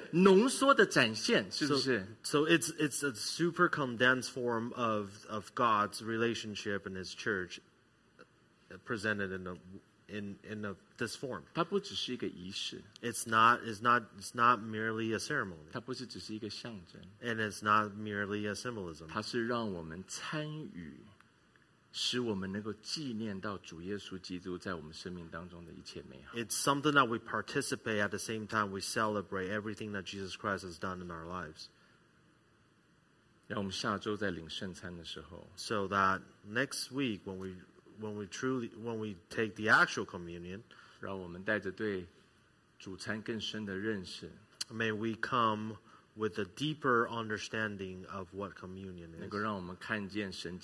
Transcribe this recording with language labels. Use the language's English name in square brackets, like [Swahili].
[Chinese] 是基督徒和神的教会所有一切生命的一个浓缩的展现，是不是？ [English] So it's a super condensed form of God's relationship and His church presented in this form. [Chinese] 它不只是一个仪式。 [English] It's not merely a ceremony. [Chinese] 它不是只是一个象征。 [English] And it's not merely a symbolism. [Chinese] 它是让我们参与。使我们能够纪念到主耶稣基督在我们生命当中的一切美好。 [English] It's something that we participate at the same time we celebrate everything that Jesus Christ has done in our lives. [Chinese] 让我们下周在领圣餐的时候， [English] so that next week when we take the actual communion, [Chinese] 让我们带着对主餐更深的认识， [English] may we come with a deeper understanding of what communion is.